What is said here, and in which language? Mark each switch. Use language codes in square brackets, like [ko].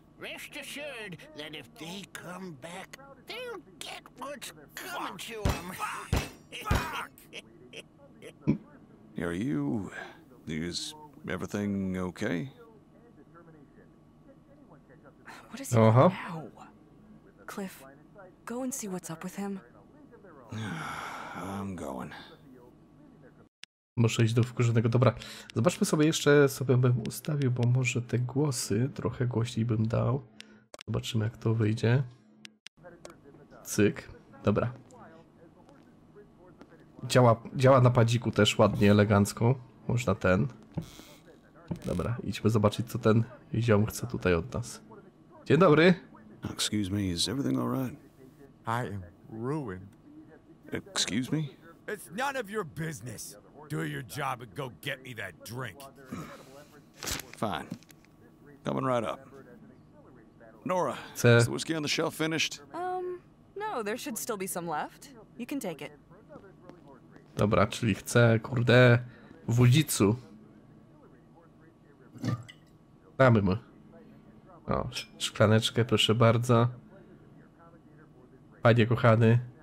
[en] Rest assured that if they come back, they'll get what's coming to them. Fuck! Are you... Is everything okay? What is it now? Cliff, go and see what's up with him. I'm going. [pl] Muszę iść do wkurzonego. Dobra, zobaczmy sobie jeszcze, sobie bym ustawił, bo może te głosy trochę głośniej bym dał. Zobaczymy, jak to wyjdzie. Cyk. Dobra. Działa na padziku też ładnie, elegancko. Można ten. Dobra, idźmy zobaczyć, co ten ziom chce tutaj od nas. Dzień dobry. [en] Excuse me, is everything all right? I am ruined. Excuse me? It's none of your business. Do your job and go get me that drink. Fine. Coming right up. Nora, is the whiskey on the shelf finished? No, there should still be some left. You can take it. [pl] Dobra, czyli chcę, kurde, w Udzicu. Damy mu. O, szklaneczkę, proszę bardzo. Panie kochany.